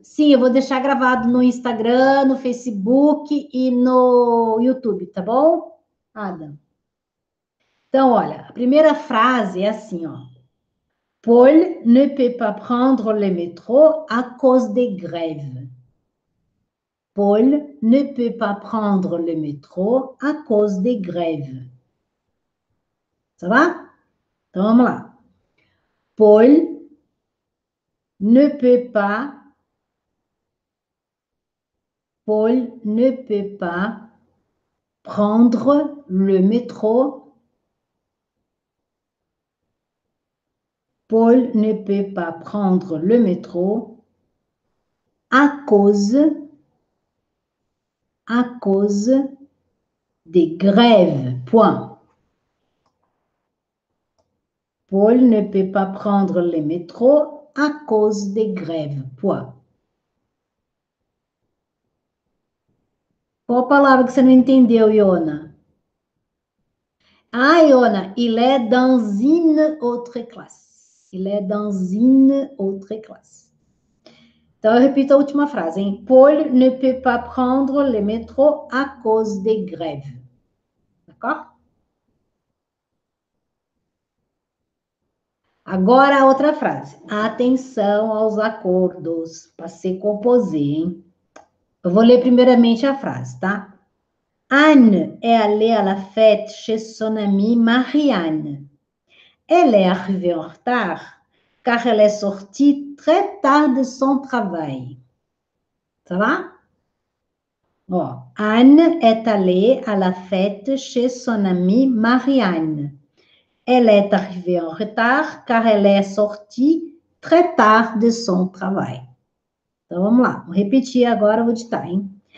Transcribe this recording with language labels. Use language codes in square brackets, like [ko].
[pt] Sim, eu vou deixar gravado no Instagram, no Facebook e no YouTube, tá bom, Adam? Então, olha, a primeira frase é assim, ó. [fr] Paul ne peut pas prendre le métro à cause des grèves. Paul ne peut pas prendre le métro à cause des grèves. Ça va? [pt] Então, vamos lá. [fr] Paul ne peut pas. Paul ne peut pas prendre le métro. Paul ne peut pas prendre le métro à cause des grèves. Point. Paul ne peut pas prendre le métro à cause des grèves. Point. [pt] Qual palavra que você não entendeu, Iona? [fr] Ah, Iona, il est dans une autre classe. Il est dans une autre classe. [pt] Então, eu repito a última frase, hein? [fr] Paul ne peut pas prendre le métro à cause des grèves. D'accord? [pt] Agora, a outra frase. Atenção aos acordos. Passé composé, hein? Eu vou ler primeiramente a frase, tá? [fr] Anne est allée à la fête chez son amie Marianne. Elle est arrivée en retard. Car elle est sortie très tard de son travail. Ça va? Ó, Anne est allée à la fête chez son amie Marianne. Elle est arrivée en retard car elle est sortie très tard de son travail. [pt] Então vamos lá, vou repetir agora, vou ditar, hein?